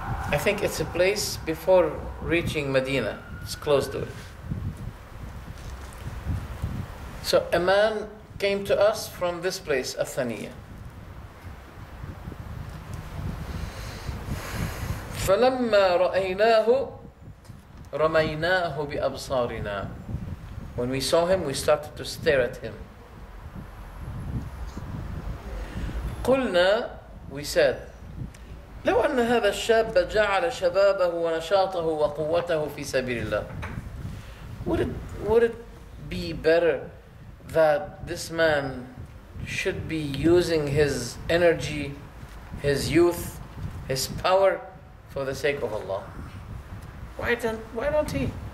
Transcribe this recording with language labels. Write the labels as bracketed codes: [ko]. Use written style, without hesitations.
[en] I think it's a place before reaching Medina. It's close to it. So a man came to us from this place, a thaniya. [ar] فلما رأيناه رميناه بأبصارنا. [en] When we saw him, we started to stare at him. [ar] قلنا, we said, لو أن هذا الشاب جعل شبابه ونشاطه وقوته في سبيل الله. [en] Would it be better that this man should be using his energy, his youth, his power for the sake of Allah? Why don't he?